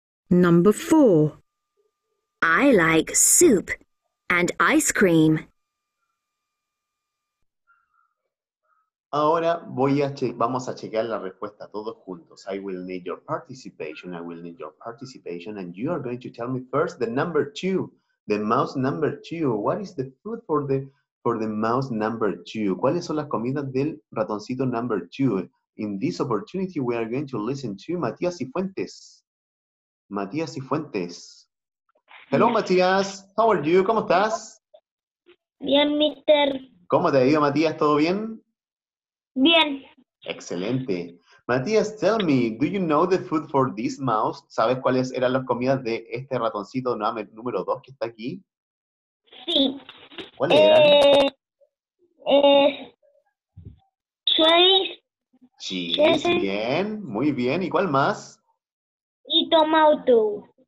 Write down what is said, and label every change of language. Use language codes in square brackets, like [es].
[en] Number 4. I like soup and ice cream. [es] Ahora vamos a chequear la respuesta todos juntos. [en] I will need your participation. I will need your participation. And you are going to tell me first the number 2. The mouse number 2. What is the food for the... For the mouse number 2. [es] ¿Cuáles son las comidas del ratoncito number 2? [en] In this opportunity, we are going to listen to Matías Cifuentes. Matías Cifuentes. Hello, Matías. How are you? [es] ¿Cómo estás? Bien, mister. ¿Cómo te ha ido, Matías? ¿Todo bien? Bien. Excelente. [en] Matías, tell me, do you know the food for this mouse? [es] ¿Sabes cuáles eran las comidas de este ratoncito número 2 que está aquí? Sí. ¿Cuál era? [en] Cheese. [es] Bien, muy bien. ¿Y cuál más? Y tomato.